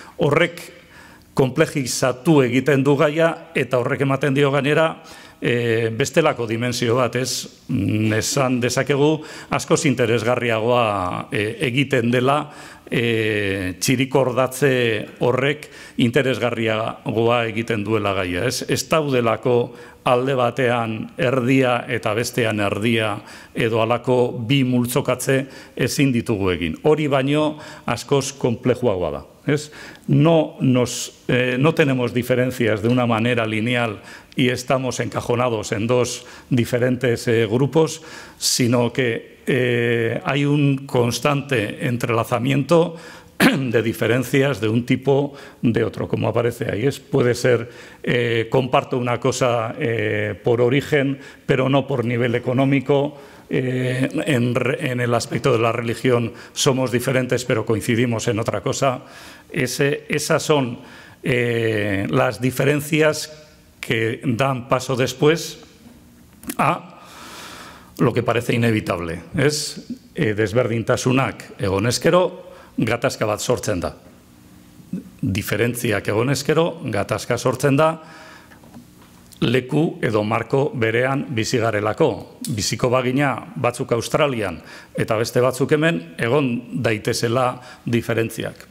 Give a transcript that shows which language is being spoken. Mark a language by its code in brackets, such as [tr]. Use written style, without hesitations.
[eu] Horrek komplejizatu egiten du gaia, eta horrek ematen dio gainera, bestelako dimensio bat, ez, esan dezakegu, askoz interesgarriagoa egiten dela, txirikordatze horrek interesgarriagoa egiten duela gaia, ez? Ez daudelako alde batean erdia eta bestean erdia edo alako bi multzokatze ezin ditugu egin. Hori baino askoz komplejuagoa da. [es] No tenemos diferencias de una manera lineal y estamos encajonados en dos diferentes grupos, sino que hay un constante entrelazamiento de diferencias de un tipo de otro, como aparece ahí. Puede ser, comparto una cosa por origen, pero no por nivel económico. En el aspecto de la religión somos diferentes, pero coincidimos en otra cosa. Esas son las diferencias que dan paso después a lo que parece inevitable. [eu] Es desberdintasunak egonezkero gatazka bat sortzen da. Diferentziak egonezkero gatazka sortzen da leku edo marko berean bizigarelako. Biziko bagina batzuk Australian eta beste batzuk hemen egon daitezela diferentziak.